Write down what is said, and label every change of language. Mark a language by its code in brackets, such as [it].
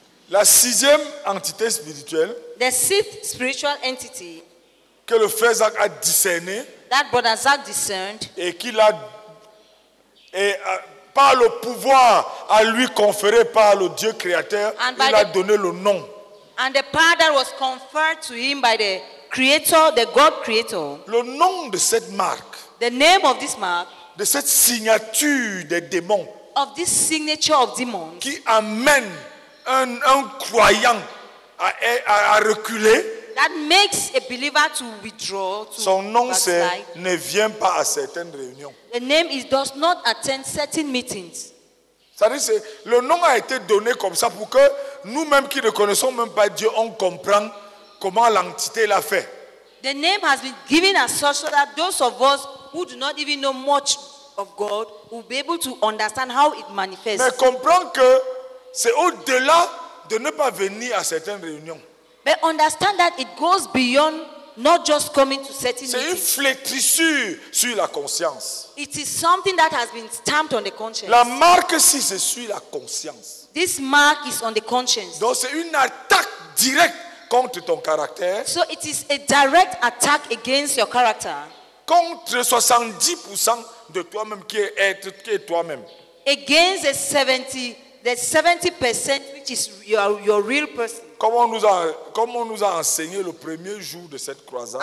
[fr] La sixième entité spirituelle. [en] The sixth spiritual entity. [fr] Que le frère Zach a discerné. [en] That brother Zach discerned. [fr] Et qu'il a et par le pouvoir à lui conféré par le Dieu créateur, il a donné le nom. [en] And the power that was conferred to him by the Creator, the God Creator. [fr] Le nom de cette marque. [en] The name of this mark. [fr] De cette signature des démons. [en] Of this signature of demons. [fr] Qui amène un croyant à reculer. [en] That makes a believer to withdraw. To [fr] son nom c'est ne vient pas à certaines réunions. [en] The name is does not attend certain meetings. [fr] Ça veut dire le nom a été donné comme ça pour que nous-mêmes qui ne connaissons même pas Dieu, on comprend comment l'entité l'a fait. [en] The name has been given as such so that those of us who do not even know much of God will be able to understand how it manifests. [fr] Mais comprends que c'est au-delà de ne pas venir à certaines réunions. [en] But understand that it goes beyond not just coming to certain [fr] c'est [en] meetings. [fr] C'est une flétrissure sur la conscience. [en] It is something that has been stamped on the conscience. [fr] La marque, si c'est sur la conscience. [en] This mark is on the conscience. [fr] Donc c'est une attaque directe contre ton caractère. [en] So it is a direct attack against your character. [fr] contre 70% de toi-même qui est toi-même. [en] Against the 70% which is your real person. [fr] Comme on nous a enseigné le premier jour de cette croisade.